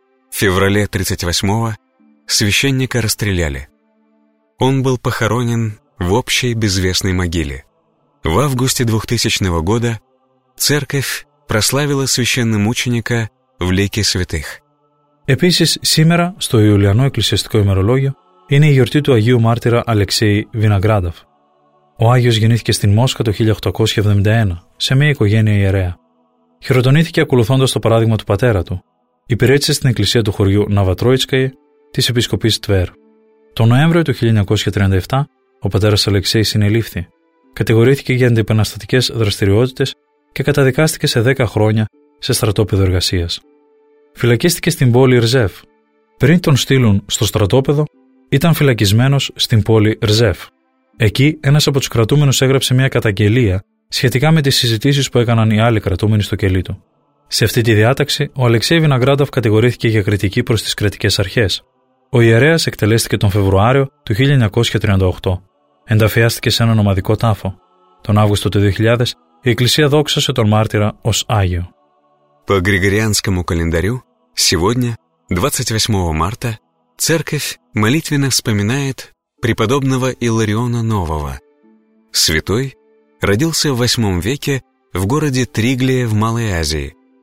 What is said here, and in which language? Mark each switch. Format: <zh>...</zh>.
<ru>В феврале 1938-го священника расстреляли. Он был похоронен в общей безвестной могиле. В августе 2000 года церковь прославила священномученика в лике святых.</ru> <el>Επίσης, σήμερα, στο Ιουλιανό Εκκλησιαστικό ημερολόγιο, είναι η γιορτή του Αγίου Μάρτυρα Αλεξέη Βιναγκράδοβ. Ο Άγιος γεννήθηκε στην Μόσχα το 1871, σε μια οικογένεια ιερέα. Χειροτονήθηκε ακολουθώντας το παράδειγμα του πατέρα του. Υπηρέτησε στην εκκλησία του χωριού Ναβατρόιτσκαη της Επισκοπής Τβέρ. Το Νοέμβριο του 1937, ο πατέρας Αλεξέη συνελήφθη. Κατηγορήθηκε για αντιπαναστατικές δραστηριότητες και καταδικάστηκε σε 10 χρόνια σε στρατόπεδο εργασίας. Φυλακίστηκε στην πόλη Ρζεύ. Πριν τον στείλουν στο στρατόπεδο, ήταν φυλακισμένος στην πόλη Ρζεύ. Εκεί, ένας από τους κρατούμενους έγραψε μια καταγγελία σχετικά με τις συζητήσεις που έκαναν οι άλλοι κρατούμενοι στο κελί του. Σε αυτή τη διάταξη, ο Αλεξέη Βιναγκράδοβ κατηγορήθηκε για κριτική προς τις κρατικές αρχές. Ο ιερέας εκτελέστηκε τον Φεβρουάριο του 1938. Ενταφιάστηκε σε έναν ομαδικό τάφο. Τον Αύγουστο του 2000, η Εκκλησία δόξασε τον μάρτυρα ως Άγιο.</el> <ru>По Григорианскому календарю, сегодня, 28 марта, церковь молитвенно вспоминает преподобного Илариона Нового. Святой родился в 8 веке в городе Триглия в Малой Азии.</ru>